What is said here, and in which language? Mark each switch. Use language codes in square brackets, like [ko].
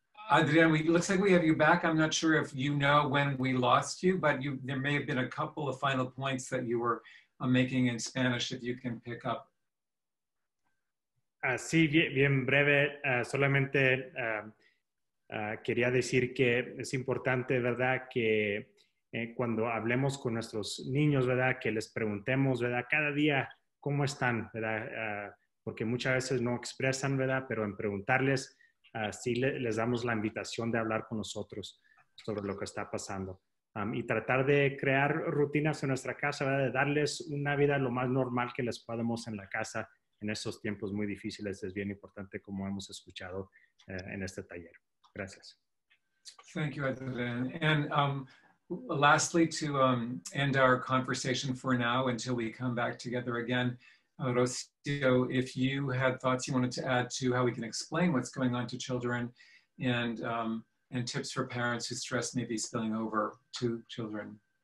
[en] Adrián, it looks like we have you back. I'm not sure if you know when we lost you, but there may have been a couple of final points that you were making in Spanish, if you can pick up. [es] Sí, bien breve. Solamente quería decir que es importante, ¿verdad?, que cuando hablemos con nuestros niños, ¿verdad?, que les preguntemos, ¿verdad?, cada día cómo están, ¿verdad?, porque muchas veces no expresan, ¿verdad?, pero en preguntarles, sí les damos la invitación de hablar con nosotros sobre lo que está pasando. Y tratar de crear rutinas en nuestra casa, ¿verdad?, de darles una vida lo más normal que les podemos en la casa en estos tiempos muy difíciles, es bien importante, como hemos escuchado en este taller. Gracias. [en] Thank you, Adrián. And lastly, to end our conversation for now until we come back together again, Rocio, if you had thoughts you wanted to add to how we can explain what's going on to children and tips for parents whose stress may be spilling over to children.